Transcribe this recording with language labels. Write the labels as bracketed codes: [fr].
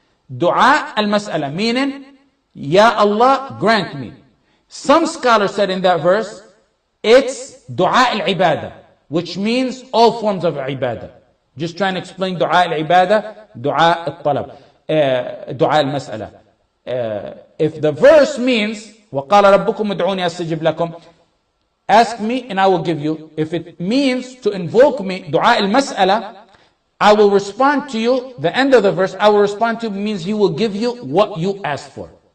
[en] دعاء المسألة meaning [ar] يا الله [en] grant me. Some scholars said in that verse it's دعاء العبادة, which means all forms of عبادة. Just trying to explain دعاء العبادة, دعاء الطلب, دعاء المسألة. If the verse means [ar] وقال ربكم ادعوني أستجب لكم, [en] ask me and I will give you. If it means to invoke me, دعاء المسألة, I will respond to you, the end of the verse, I will respond to you means He will give you what you ask for.